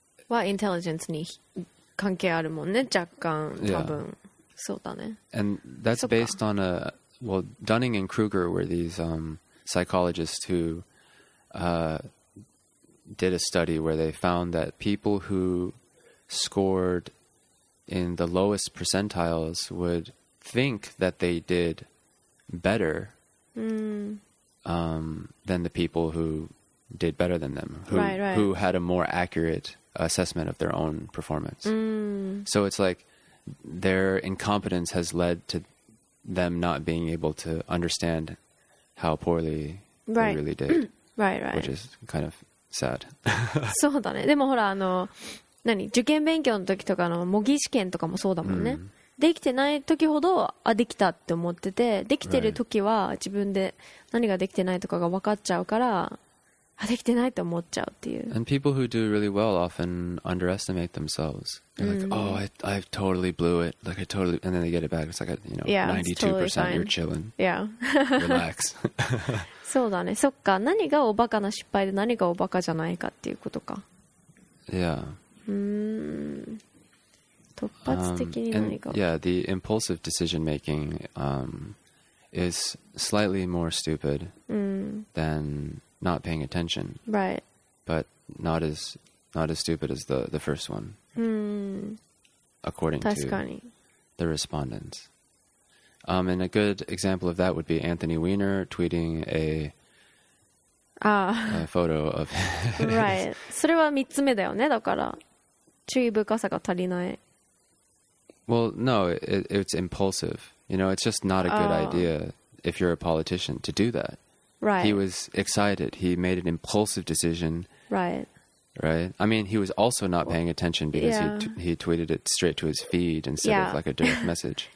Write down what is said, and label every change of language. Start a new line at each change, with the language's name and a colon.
Japanese: はインテリジェンスに関係あるもんね、若干、多分、そうだね。
English: And that's based on Dunning and Kruger were these psychologists who did a study where they found that people who scored in the lowest percentiles would think that they did better than the people who did better than them, who, who had a more accurate assessment of their own performance. So it's like their incompetence has led to them not being able to understand how poorly they really did. Which is kind of sad.
Japanese: そうだね。でもほら、あの、何、受験勉強の時とかの模擬試験とかもそうだもんね。できてない時ほど、あ、できたって思ってて、できてる時は自分で何ができてないとかが分かっちゃうから、あ、できてないって思っちゃうっていう。
English: And people who do really well often underestimate themselves. They're like, oh, I totally blew it. Like, I totally... And then they get it back. It's like, a, you know, yeah, 92%, totally you're chilling. Yeah. Relax.
Japanese: そうだね。そっか。何がおバカな失敗で何がおバカじゃないかっていうことか。
English: Yeah.
Japanese: 突発的に何か。
English: Yeah, the impulsive decision making is slightly more stupid than... not paying attention. Right. But not as stupid as the first one. According to the respondents. And a good example of that would be Anthony Weiner tweeting a photo of his. Right.
Japanese: それは3つ目だよね。だから注意深さが足りない。
English: Well, no, it's impulsive. You know, it's just not a good idea if you're a politician to do that. Right. He was excited. He made an impulsive decision. Right. I mean, he was also not paying attention because he tweeted it straight to his feed instead of like a direct message.